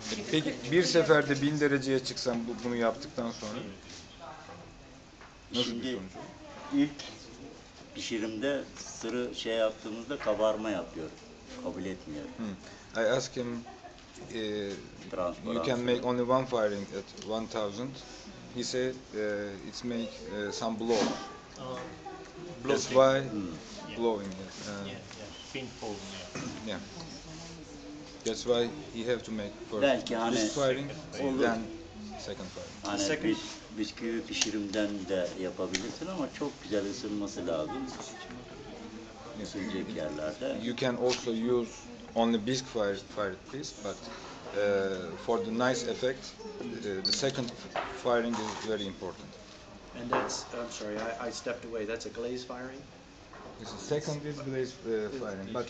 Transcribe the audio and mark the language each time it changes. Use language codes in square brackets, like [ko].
[tr] Peki bir seferde 1000 dereceye çıksan bunu yaptıktan sonra nasıl bir sonuç olur? İlk pişirimde sırı şey yaptığımızda kabarma yapıyor. Kabul etmiyor. [en] I ask him you can make only one firing at 1000. He said it's make some blow. That's why blowing. Pinfall. Yeah. That's why he have to make first [tr] hani [en] firing second then second firing. [tr] Hani [en] second. [tr] Bisküvi pişirimden de yapabilirsin ama çok güzel ısınması lazım. Isınacak yerlerde. [en] You can also use only bisk fire please, but for the nice effect, the second firing is very important. And that's, I'm sorry, I stepped away. That's a glaze firing? This is second is glaze firing. But